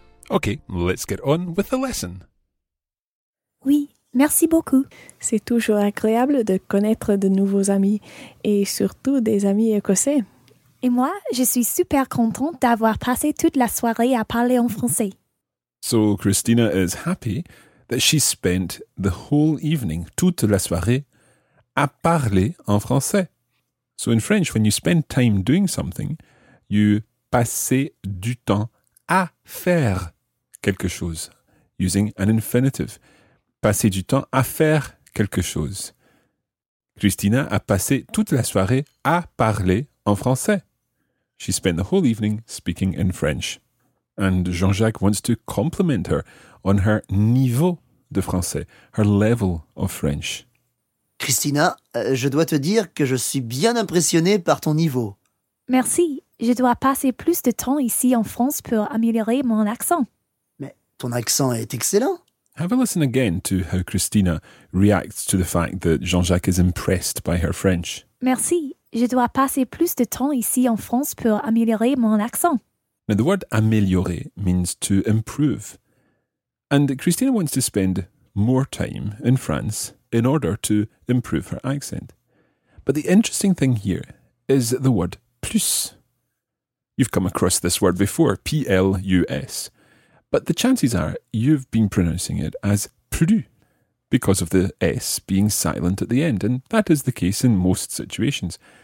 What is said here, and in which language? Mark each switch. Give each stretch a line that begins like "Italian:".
English: Okay, let's get on with the lesson.
French: Oui, merci beaucoup. C'est toujours agréable de connaître de nouveaux amis, et surtout des amis écossais. Et moi, je suis super contente d'avoir passé toute la soirée à parler en français.
English: So, Christina is happy that she spent the whole evening,
French: toute la soirée, à parler en français.
English: So in French, when you spend time doing something, you
French: passer du temps à faire quelque chose,
English: using an infinitive.
French: Passer du temps à faire quelque chose. Christina a passé toute la soirée à parler en français.
English: She spent the whole evening speaking in French. And Jean-Jacques wants to compliment her on her
French: niveau de français,
English: her level of French.
French: Christina, je dois te dire que je suis bien impressionné par ton niveau. Merci. Je dois passer plus de temps ici en France pour améliorer mon accent. Mais ton accent est excellent.
English: Have a listen again to how Christina reacts to the fact that Jean-Jacques is impressed by her French.
French: Merci. Je dois passer plus de temps ici en France pour améliorer mon accent.
English: Now the word améliorer means to improve. And Christina wants to spend more time in France in order to improve her accent. But the interesting thing here is the word plus. You've come across this word before, P-L-U-S. But the chances are you've been pronouncing it as plus because of the S being silent at the end, and that is the case in most situations.